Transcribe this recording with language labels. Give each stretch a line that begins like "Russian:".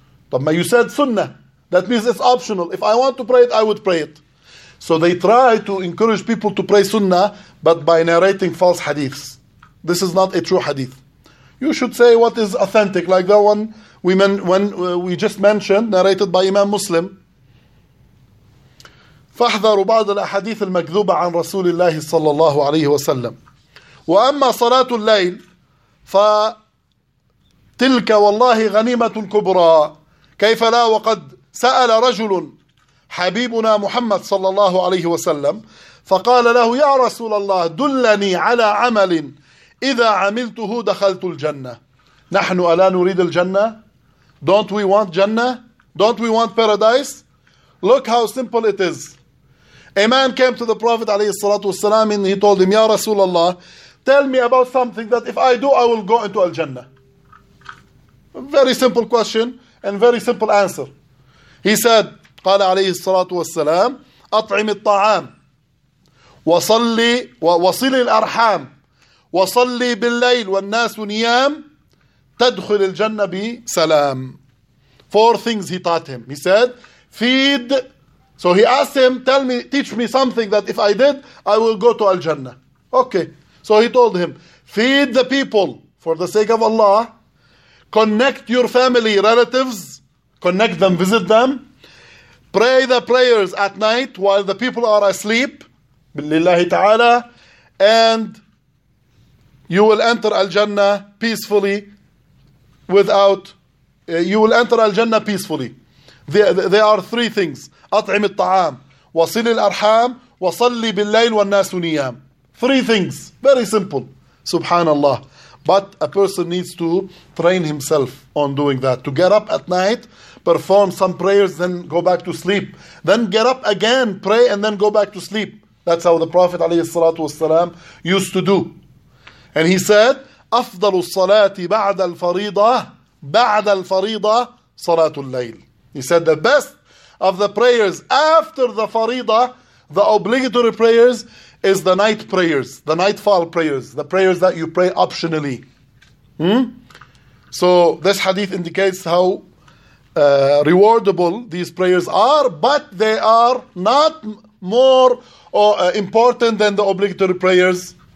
Arabic: طب ما
English: you said sunnah, that means it's optional. If I want to pray it, I would pray it. So they try to encourage people to pray sunnah, but by narrating false hadiths. This is not a true hadith. You should say what is authentic, like the one we just mentioned, narrated by Imam Muslim.
Arabic: فاحذروا بعض الأحاديث المكذوبة عن رسول الله صلى الله عليه وسلم. وأما صلاة الليل فتلك والله غنيمة كبرى، كيف لا وقد سأل رجل حبيبنا محمد صلى الله عليه وسلم فقال له يا رسول الله دلني على عمل إذا عملته دخلت الجنة. نحن ألا نريد الجنة؟
English: Don't we want جنة؟ Don't we want paradise؟ Look how simple it is. A man came to the Prophet
Arabic: عليه الصلاة والسلام
English: and he told him
Arabic: يا رسول الله
English: tell me about something that if I do, I will go into Al-Jannah. Very simple question and very simple answer. He said,
Arabic: قال عليه الصلاة والسلام أطعم الطعام وصلي وصل الأرحام وصلي بالليل والناس نيام تدخل الجنة بسلام.
English: Four things he taught him. He said, feed. So he asked him, tell me, teach me something that if I did, I will go to Al-Jannah. Okay. So he told him, feed the people for the sake of Allah, connect your family, relatives, connect them, visit them, pray the prayers at night while the people are asleep,
Arabic: بالله تعالى,
English: and you will enter al-Jannah peacefully without, you will enter al-Jannah peacefully. There are three things.
Arabic: At'im al-ta'am, wasil al-arham, wasalli bil-layl wal-nasu niyam.
English: Three things, very simple. Subhanallah. But a person needs to train himself on doing that. To get up at night, perform some prayers, then go back to sleep. Then get up again, pray, and then go back to sleep. That's how the Prophet ﷺ used to do. And he said,
Arabic: أفضل الصلاة بعد الفريضة بعد الفريضة صلاة الليل.
English: He said, the best of the prayers after the فريضة, the obligatory prayers, is the night prayers, the nightfall prayers, the prayers that you pray optionally. So this hadith indicates how rewardable these prayers are, but they are not more important than the obligatory prayers.